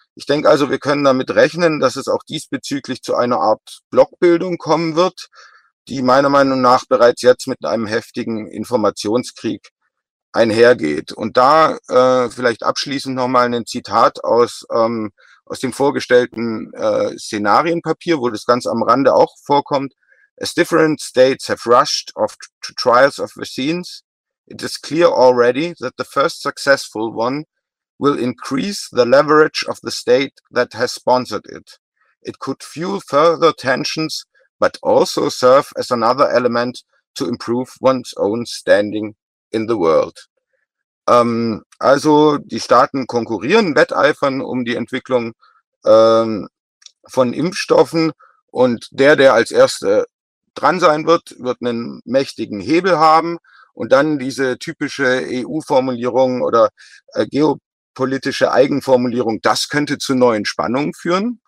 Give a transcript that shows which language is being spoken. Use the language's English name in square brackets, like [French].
[German] Ich denke also, wir können damit rechnen, dass es auch diesbezüglich zu einer Art Blockbildung kommen wird, die meiner Meinung nach bereits jetzt mit einem heftigen Informationskrieg einhergeht. Und da vielleicht abschließend nochmal ein Zitat aus dem vorgestellten Szenarienpapier, wo das ganz am Rande auch vorkommt. [English] As different states have rushed off to trials of vaccines, it is clear already that the first successful one will increase the leverage of the state that has sponsored it. It could fuel further tensions, but also serve as another element to improve one's own standing in the world. [German] Also die Staaten konkurrieren, wetteifern um die Entwicklung von Impfstoffen und der als Erster dran sein wird, wird einen mächtigen Hebel haben und dann diese typische EU-Formulierung oder geopolitische Eigenformulierung, das könnte zu neuen Spannungen führen.